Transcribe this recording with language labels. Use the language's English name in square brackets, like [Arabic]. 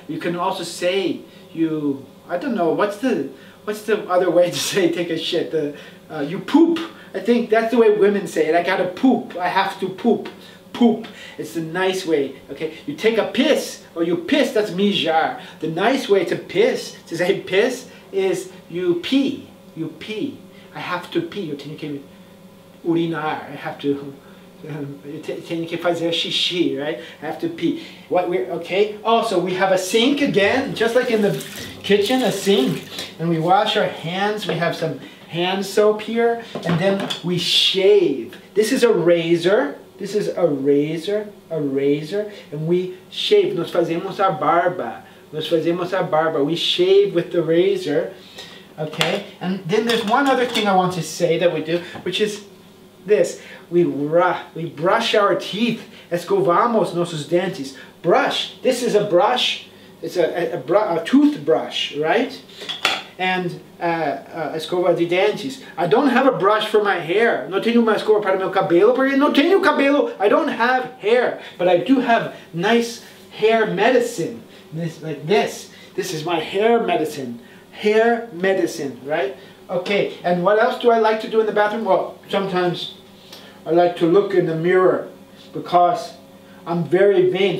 [English] You can also say, what's the other way to say take a shit? You poop. I think that's the way women say it. I gotta poop, I have to poop. Poop, it's the nice way, okay? You take a piss, or you piss, that's mijar. The nice way to piss, to say piss, is you pee, I have to pee. [Portuguese] Eu tenho que urinar, [English] I have to, [Portuguese] tenho que fazer xixi, [English] right? I have to pee, okay? Also, we have a sink again, just like in the kitchen, a sink. And we wash our hands, we have some hand soap here, and then we shave. This is a razor. This is a razor, and we shave. [Portuguese] Nós fazemos a barba. Nós fazemos a barba. [English] We shave with the razor, okay? And then there's one other thing I want to say that we do, which is this. We brush our teeth. [Portuguese] Escovamos nossos dentes. [English] Brush. This is a brush. It's a toothbrush, right? And [Portuguese] escova de dentes. [English] I don't have a brush for my hair. [Portuguese] Não tenho uma escova para meu cabelo, porque não tenho cabelo. [English] I don't have hair, but I do have nice hair medicine. This, like this. This is my hair medicine. Hair medicine, right? Okay, and what else do I like to do in the bathroom? Well, sometimes I like to look in the mirror because I'm very vain.